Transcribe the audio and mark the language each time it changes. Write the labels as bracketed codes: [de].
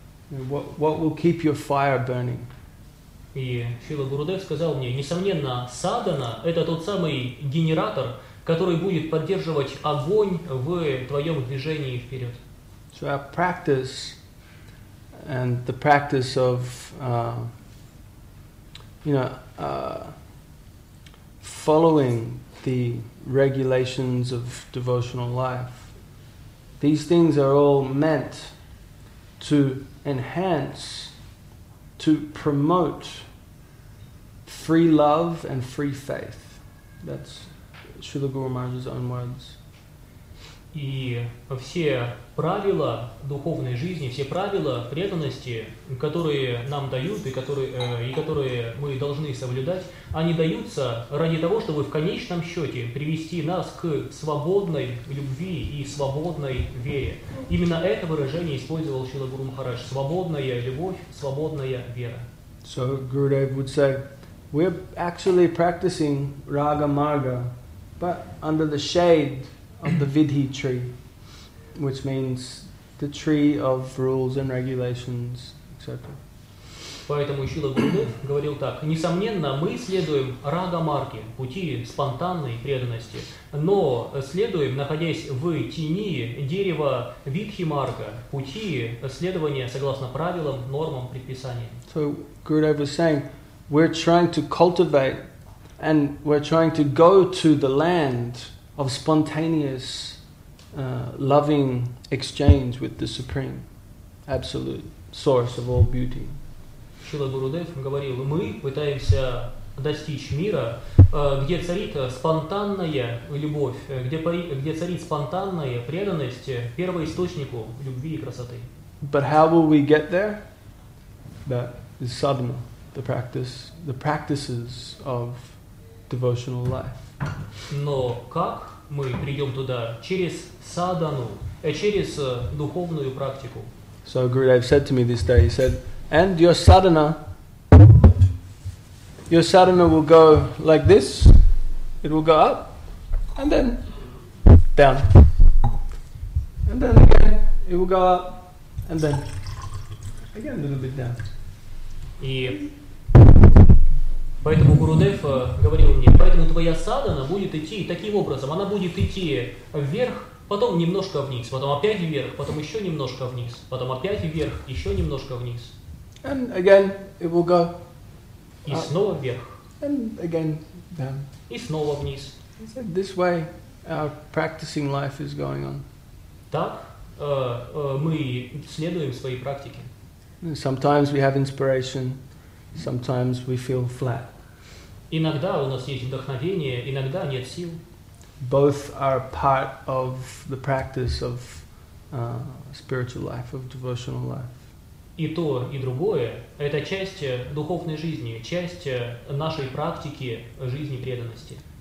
[en] What will keep your fire burning? [ru] И Шрила Гурудев сказал мне, несомненно, садхана — это тот самый генератор, который будет поддерживать огонь в твоем движении вперед. [en] So our practice and the practice of, you know, following the regulations of devotional life, these things are all meant to enhance, to promote free love and free faith. That's Srila Guru Maharaj's own words. [ru] И все правила духовной жизни, все правила преданности, которые нам дают и которые мы должны соблюдать, они даются ради того, чтобы в конечном счете привести нас к свободной любви и свободной вере. Именно это выражение использовал Шрила Гуру Махарадж. Свободная любовь, свободная вера. [en] So Gurudev would say, we're actually practicing Raga Marga, but under the shade of the Vidhi tree, which means the tree of rules and regulations, etc. [ru] Поэтому Шрила Гурудев говорил так: несомненно, мы следуем рага-марге, пути спонтанной преданности, но следуем, находясь в тени дерева Видхи-марга, пути следования согласно правилам, нормам, предписаниям. [en] So Gurudev was saying, we're trying to cultivate and we're trying to go to the land of spontaneous loving exchange with the Supreme, Absolute Source of all beauty. [ru] Шрила Гурудев говорил, мы пытаемся достичь мира, где царит спонтанная любовь, где царит спонтанная преданность первоисточнику любви и красоты. [en] But how will we get there? That is sadhana, the practice, the practices of devotional life. [ru] Но как мы придем туда? Через садхану, через духовную практику. [en] So Gurudev said to me this day, he said, and your sadhana will go like this, it will go up, and then down. And then again, it will go up, and then again a little bit down. [ru] Поэтому Гурудев говорил мне, поэтому твоя садхана будет идти таким образом. Она будет идти вверх, потом немножко вниз, потом опять вверх, потом еще немножко вниз, потом опять вверх, еще немножко вниз. [en] And again it will go. [ru] И снова вверх. [en] And again down. [ru] И снова вниз. [en] So this way our practicing life is going on. [ru] Так мы следуем своей практике. [en] Sometimes we have inspiration. Sometimes we feel flat. [ru] Иногда у нас есть вдохновение, иногда нет сил. [en] Both are part of the practice of spiritual life, of devotional life. [ru] И то, и другое – это часть духовной жизни, часть нашей практики жизни преданности.